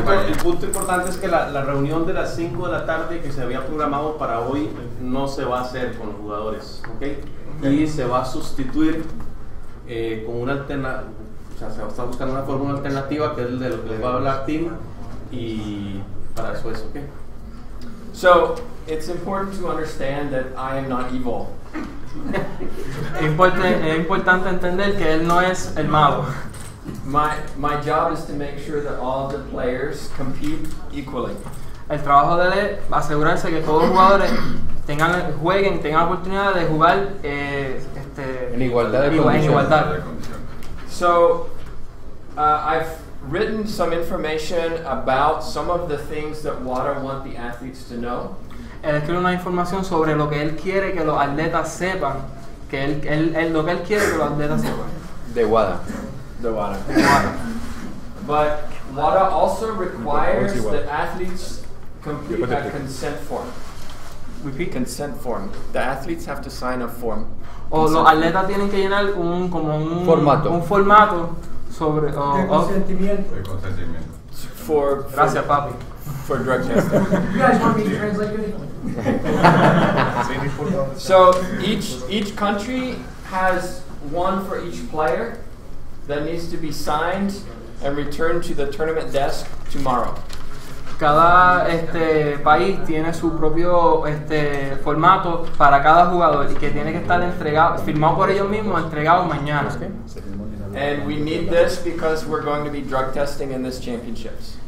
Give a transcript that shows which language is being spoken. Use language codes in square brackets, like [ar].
[es] El punto importante es que la reunión de las 5 de la tarde que se había programado para hoy no se va a hacer con los jugadores, ¿okay? Okay. Y se va a sustituir con una alternativa, o sea, se está buscando una forma alternativa que es de lo que les va a hablar Tim, y para eso es, ¿okay? [en] So, it's important to understand that I am not evil. [es] Es importante entender que él no es el mago. [en] My job is to make sure that all the players compete equally. [es] El trabajo de él es asegurarse que todos los jugadores tengan la oportunidad de jugar en igualdad. [en] So, I've written some information about some of the things that WADA want the athletes to know. [es] Él escribe una información sobre lo que él quiere que los atletas sepan, que él lo que él quiere que los atletas sepan. De WADA. [en] But WADA also requires that athletes complete a consent form. Repeat. Consent form. The athletes have to sign a form. [es] O los atletas tienen que llenar un formato sobre consentimiento. [en] For [es] gracias, papi. [en] For drug testing. You guys want me to translate it? So each country has one for each player. That needs to be signed and returned to the tournament desk tomorrow. [es] Cada país tiene su propio formato para cada jugador y que tiene que estar entregado, firmado por ellos mismos, entregado mañana. [en] And we need this because we're going to be drug testing in this championships.